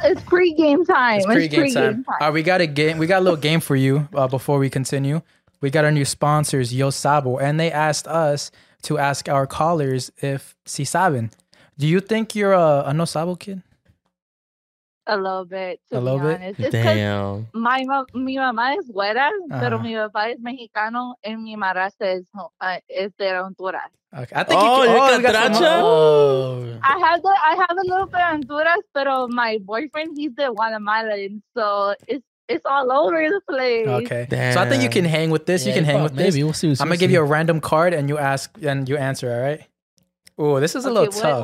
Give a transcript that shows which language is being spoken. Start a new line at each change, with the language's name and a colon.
English: It's pregame time. All right, we got a little game for you before we continue. We got our new sponsors, Yo Sabo, and they asked us to ask our callers if
Spanish: si saben.
English: Do you think you're a No Sabo kid? A little bit. Damn.
Spanish: Mi mamá es güera, pero mi papá es mexicano,
English: and
Spanish: mi madrastra es de Honduras.
English: Okay. I have a little bit of Honduras,
Spanish: pero
English: my boyfriend, he's de Guatemala, and so it's all over the place. Okay. Damn. So I think you can hang with this. Yeah, you can hang with this. Maybe we'll see. I'm gonna give you a random card, and you answer. All right. Oh, this is a little tough.